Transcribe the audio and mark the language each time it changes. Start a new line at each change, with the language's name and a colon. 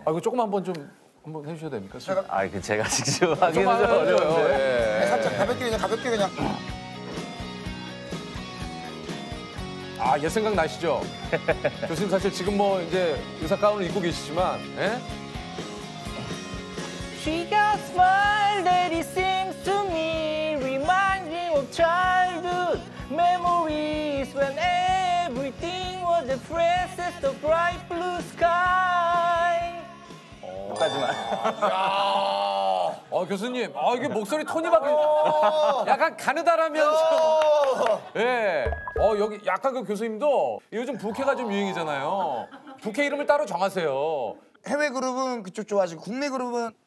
Korean: 이거 조금 한번 해주셔도 됩니까? 제가? 제가 직접 하기는 좀 어려운데. 살짝 가볍게 그냥. 옛 생각 나시죠? 교수님 사실 지금 뭐 이제 의사 가운을 입고 계시지만, 예?
English: She got smile that it seems to me reminds me of childhood memories when everything was the freshest of bright blue sky.
Korean: 하지만. 교수님, 이게 목소리 톤이 바뀌어. 약간 가느다라면서. 예. 여기 약간 그 교수님도 요즘 부캐가 좀 유행이잖아요. 부캐 이름을 따로 정하세요. 해외 그룹은 그쪽 좋아하시고 국내 그룹은